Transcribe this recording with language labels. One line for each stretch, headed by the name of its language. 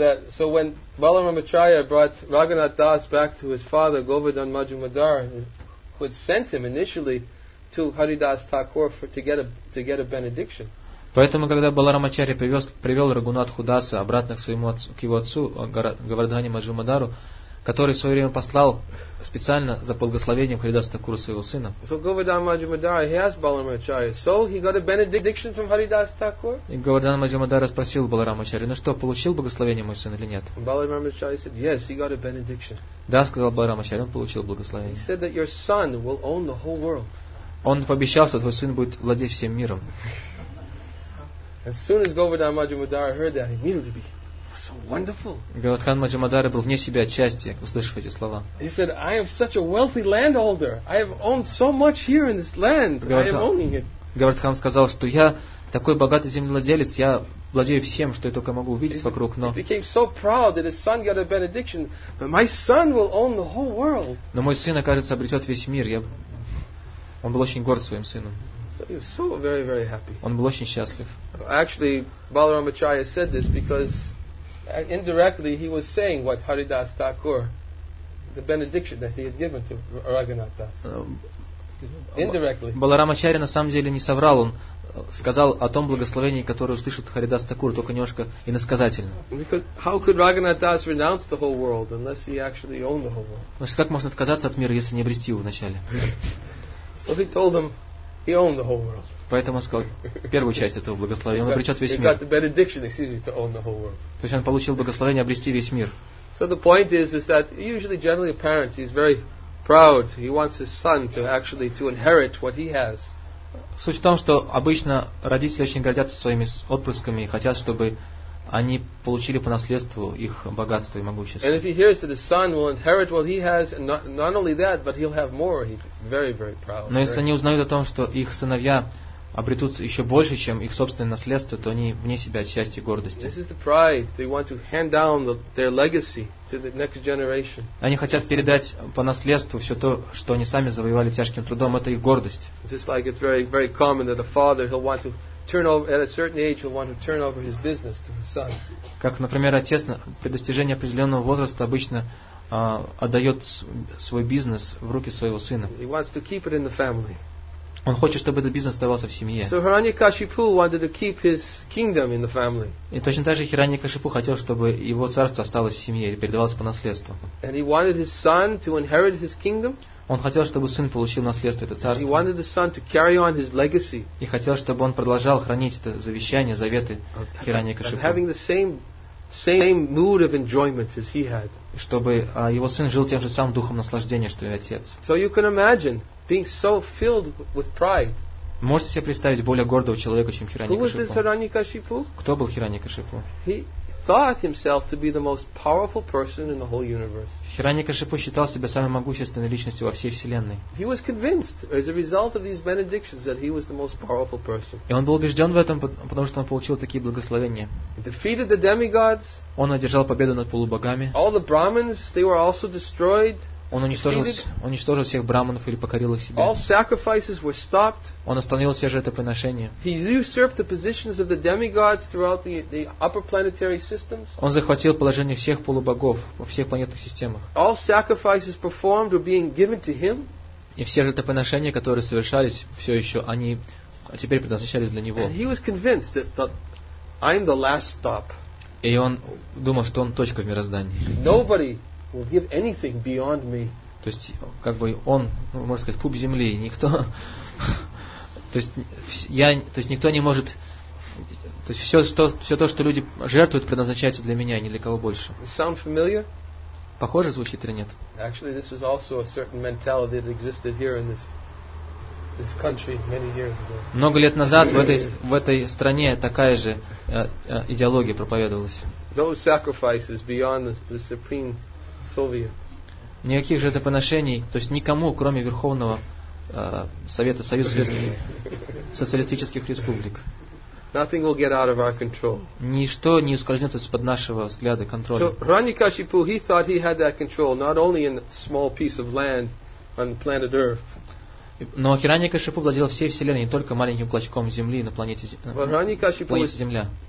English: So when Balaramacharya brought Raghunath Das back to his father Govardhan Majumdar, who had sent him initially to Haridas Thakur to get a benediction.
Russian: Поэтому, когда Баларамачарья привел Рагунатху Даса обратно к его отцу Говардхане Маджумадару, который в свое время послал специально за благословением Харидаса Такура своего сына.
English: So Govardhan Majumdar, he asked Balaramacharya, so he got a benediction from Haridas Thakur?
Russian: И Говардхан Маджумадара спросил Баларамачарья, ну что, получил благословение мой сын или нет?
English: Баларамачарья said, yes, he got a benediction.
Russian: Да, сказал Баларамачарья, он получил благословение.
English: He said that your son will own the whole world.
Russian: Он пообещал, что твой сын будет владеть всем миром.
English: As soon as Govardhan Majumdar heard that, immediately be so wonderful.
Russian: Говардхан Маджумдар был вне себя от счастья, услышав эти слова.
English: He said, "I am such a wealthy landholder. I have owned so much here in this land. I am owning it."
Russian: Говардхан сказал, что я такой богатый землевладелец, я владею всем, что я только могу увидеть вокруг. Но
English: he became so proud that his son got a benediction, but my son will own the whole world.
Russian: Но мой сын, кажется, обретет весь мир. Он был очень горд своим сыном.
English: So he was so very, very happy.
Russian: Он был очень счастлив.
English: Actually, Balaramacharya said this because indirectly he was saying what Haridas Thakur, the benediction that he had given to Raghunath Das. Indirectly.
Russian: Баларамачарья на самом деле не соврал, он сказал о том благословении, которое услышит Харидас Такур, только немножко иносказательно.
English: Because how could Raghunath Das renounce the whole world unless he actually owned the whole world?
Russian: Потому что как можно отказаться от мира, если не обрести его вначале?
English: So he told them he owned the whole world.
Russian: Поэтому он сказал первую часть этого благословения, он обретет весь мир.
English: He got the benediction, excuse me, to own the whole world.
Russian: То есть он получил благословение обрести весь мир.
English: So the point is that usually generally a parent is very proud. He wants his son to inherit what he has.
Russian: Суть в том, что обычно родители очень гордятся своими отпрысками и хотят, чтобы они получили по наследству их богатство и могущество.
English: And if he hears that his son will inherit what he has, and not only that, but he'll have more, he's very, very proud.
Russian: Но если они узнают о том, что их сыновья обретут еще больше, чем их собственное наследство, то они вне себя от счастья и гордости.
English: This is the pride. They want to hand down their legacy to the next generation.
Russian: Они хотят передать по наследству все то, что они сами завоевали тяжким трудом. Это их гордость.
English: Just like it's very, very common that a father, he'll want to turn over at a certain age, he'll want to turn over his business to his son.
Russian: Как, например, отец при достижении определенного возраста обычно отдает свой бизнес в руки своего сына.
English: He wants to keep it in the family.
Russian: Он хочет, чтобы этот бизнес оставался в семье.
English: So Hiranyakashipu wanted to keep his kingdom in the family.
Russian: И точно так же Хираньякашипу хотел, чтобы его царство осталось в семье и передавалось по наследству.
English: And he wanted his son to inherit his kingdom.
Russian: Он хотел, чтобы сын получил наследство, это царство.
English: He wanted the son to carry on his legacy.
Russian: И хотел, чтобы он продолжал хранить это завещание, заветы Хираньякашипу.
English: Having the same mood of enjoyment as he had.
Russian: Чтобы его сын жил тем же самым духом наслаждения, что и отец.
English: So you can imagine being so filled with pride.
Russian: Можете себе представить более гордого человека, чем Хираньякашипу? Кто был Хираньякашипу?
English: He thought himself to be the most powerful person in the whole universe.
Russian: Хираньякашипу считал себя самой могущественной личностью во всей вселенной.
English: He was convinced as a result of these benedictions that he was the most powerful person.
Russian: И он был убежден в этом, потому что он получил такие благословения.
English: He defeated the demigods.
Russian: Он одержал победу над полубогами.
English: All the brahmins, they were also destroyed.
Russian: Он уничтожил всех браманов или покорил их себе.
English: All sacrifices were stopped.
Russian: Он остановил все жертвоприношения.
English: He usurped the positions of the demigods throughout the upper planetary systems.
Russian: Он захватил положение всех полубогов во всех планетных системах.
English: All sacrifices performed were being given to him.
Russian: И все жертвоприношения, которые совершались, все еще они теперь предназначались для него.
English: And he was convinced that I'm the last stop.
Russian: И он думал, что он точка в мироздании.
English: Nobody will give anything beyond me.
Russian: То есть, как бы он, можно сказать, пуп земли, никто. никто не может. То есть все то, что люди жертвуют, предназначается для меня, ни для кого больше.
English: Sound familiar?
Russian: Похоже звучит или нет?
English: Actually, this was also a certain mentality that existed here in this country many years ago.
Russian: Много лет назад в этой стране такая же идеология проповедовалась.
English: No sacrifices beyond the supreme.
Russian: Никаких жертвоприношений, то есть никому, кроме Верховного Совета Союза Социалистических Республик.
English: Nothing will get out of our control.
Russian: Ничто не ускользнет из-под нашего взгляда контроля.
English: So Ранакашипу, he thought he had that control, not only in a small piece of land on the planet Earth.
Russian: Но Хиранья-Кашипу владел всей вселенной, не только маленьким клочком земли на планете Земля.